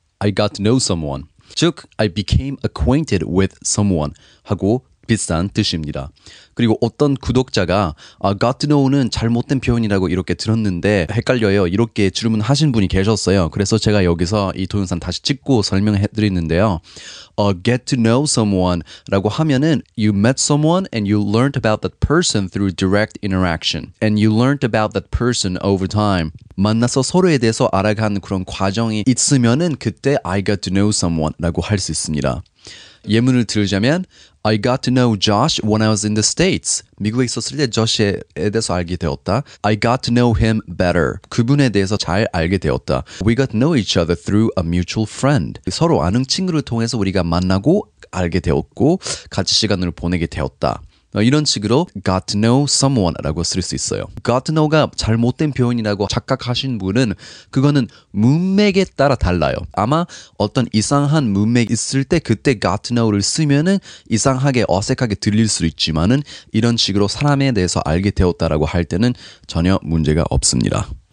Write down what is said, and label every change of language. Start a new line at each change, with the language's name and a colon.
English: I got to know someone. 즉, I became acquainted with someone
Korean: 하고 비슷한 뜻입니다. 그리고 어떤 구독자가 got to know는 잘못된 표현이라고 이렇게 들었는데 헷갈려요. 이렇게 질문하신 분이 계셨어요. 그래서 제가 여기서 이 동영상 다시 찍고 설명해 드리는데요.
English: Get to know someone라고 하면은 you met someone and you learned about that person through direct interaction and you learned about that person over time.
Korean: 만나서 서로에 대해서 알아가는 그런 과정이 있으면은 그때
English: I got to know someone
Korean: 라고 할 수 있습니다. 예문을 들자면
English: I got to know Josh when I was in the States.
Korean: 미국에 있었을 때 Josh에 대해서 알게 되었다.
English: I got to know him better.
Korean: 그분에 대해서 잘 알게 되었다.
English: We got to know each other through a mutual friend.
Korean: 서로 아는 친구를 통해서 우리가 만나고 알게 되었고 같이 시간을 보내게 되었다. 이런 식으로 got to know someone라고 쓸 수 있어요. got to know가 잘못된 표현이라고 착각하신 분은 그거는 문맥에 따라 달라요. 아마 어떤 이상한 문맥이 있을 때 그때 got to know를 쓰면은 이상하게 어색하게 들릴 수 있지만은 이런 식으로 사람에 대해서 알게 되었다라고 할 때는 전혀 문제가 없습니다.